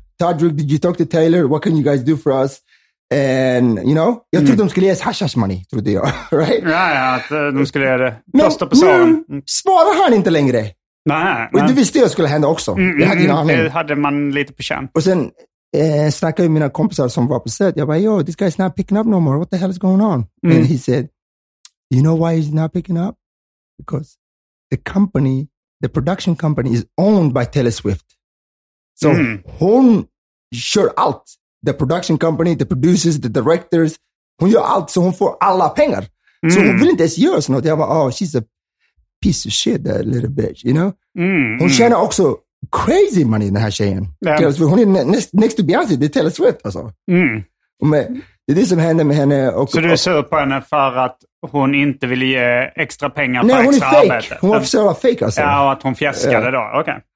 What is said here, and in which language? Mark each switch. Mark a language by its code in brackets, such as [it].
[en] Tadric, did you talk to Taylor? What can you guys do for us? And, you know, [sv] jag trodde de skulle ge hashash money, trodde jag, right? Ja, ja, att de skulle göra det. Posta på salen. Svarar han inte längre. Nej. Och du visste jag skulle hända också. Det hade man lite på känn. Och sen snackade jag med mina kompisar som var på set. Jag bara, [en] yo, this guy's not picking up no more. What the hell is going on? And he said, you know why he's not picking up? Because the company, the production company is owned by Taylor Swift. So, [sv] hon kör allt. [en] The production company, the producers, the directors. [sv] Hon gör allt, så hon får alla pengar. Mm. Så hon vill inte ens göra sånt. Jag bara, [en] oh, she's a piece of shit, that little bitch, you know? [sv] Hon tjänar också [en] crazy money, [sv] den här tjejen. [en] Yeah. [sv] Hon är [en] next to [sv] Beyoncé, det är Taylor Swift. Alltså. Mm. Men det är det som händer med henne. Så du ser på henne för att hon inte vill ge extra pengar på nej, extra arbete? Nej, hon är fake. Arbete. Hon var fake, alltså. Ja, och att hon fjäskade då, okej.